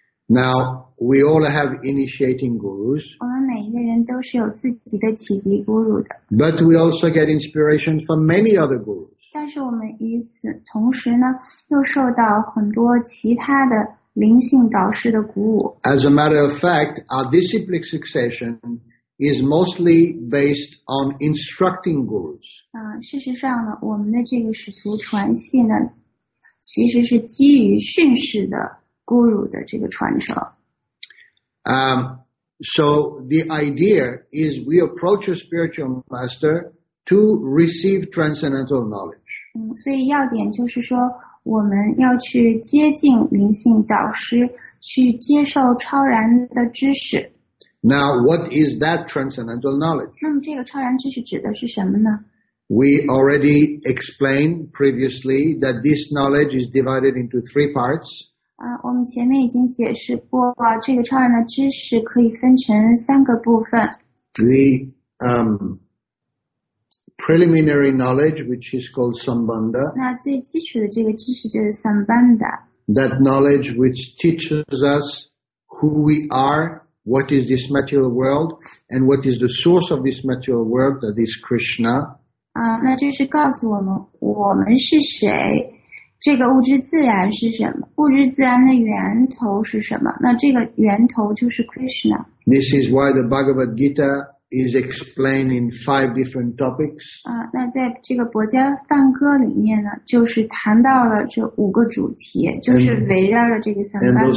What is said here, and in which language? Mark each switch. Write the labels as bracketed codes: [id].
[en] Now, we all have initiating gurus. [zh] 我们每一个人都是有自己的启迪 guru 的。 [en] But we also get inspiration from many other gurus. [zh] 但是我们与此同时呢，又受到很多其他的灵性导师的鼓舞。 [en] As a matter of fact, our disciplic succession is mostly based on instructing gurus. [zh] 事实上呢，我们的这个使徒传系呢，其实是基于训示的 guru 的这个传承。 [en] So the idea is we approach a spiritual master to receive transcendental knowledge. [zh] 所以要点就是说，我们要去接近灵性导师，去接受超然的知识。 [en] Now, what is that transcendental knowledge? [zh] 那么这个超然知识指的是什么呢？ [en] We already explained previously that this knowledge is divided into three parts. [zh] 我们前面已经解释过了，这个超然的知识可以分成三个部分。 [en] The preliminary knowledge, which is called sambandha. [zh] 那最基础的这个知识就是 sambandha. [en] That knowledge which teaches us who we are. What is this material world, and what is the source of this material world, that is Krishna. [zh] 那就是告诉我们我们是谁，这个物质自然是什么，物质自然的源头是什么，那这个源头就是 Krishna. [en] This is why the Bhagavad Gita is explained in 5 different topics. [zh] 那在这个博伽梵歌里面呢，就是谈到了这五个主题，就是围绕着这个三班的。